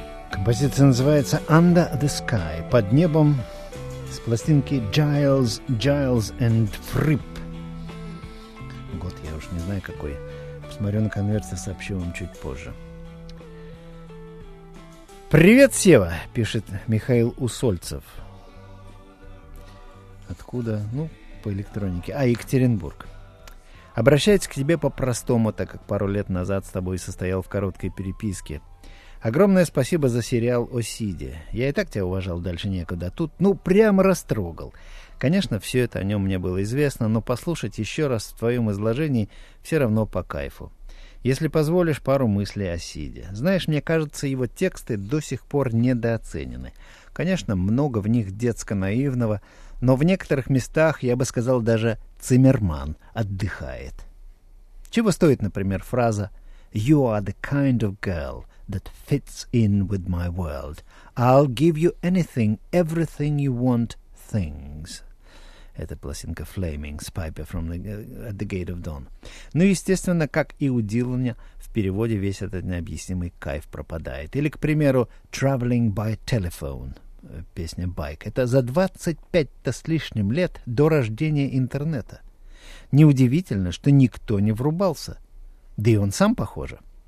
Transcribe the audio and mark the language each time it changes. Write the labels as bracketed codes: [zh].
[ru] Композиция называется «Under the Sky» – «Под небом» с пластинки «Giles, Giles and Fripp». Год я уж не знаю какой. Посмотрю на конверте, сообщу вам чуть позже. «Привет, Сева!» – пишет Михаил Усольцев. Откуда? Ну, по электронике. А, Екатеринбург. «Обращаюсь к тебе по-простому, так как пару лет назад с тобой состоял в короткой переписке». Огромное спасибо за сериал о Сиде. Я и так тебя уважал, дальше некуда. Тут, ну, прямо растрогал. Конечно, все это о нем мне было известно, но послушать еще раз в твоем изложении все равно по кайфу. Если позволишь, пару мыслей о Сиде. Знаешь, мне кажется, его тексты до сих пор недооценены. Конечно, много в них детско-наивного, но в некоторых местах, я бы сказал, даже Циммерман отдыхает. Чего стоит, например, фраза [en] «You are the kind of girl that fits in with my world. I'll give you anything, everything you want, things». [ru] Это пластинка «Flaming» с Piper from the, «At the Gate of Dawn». Ну, естественно, как и у Дилана, в переводе весь этот необъяснимый кайф пропадает. Или, к примеру, «Traveling by Telephone», песня «Bike». Это за 25-то с лишним лет до рождения интернета. Неудивительно, что никто не врубался. Да и он сам, похоже.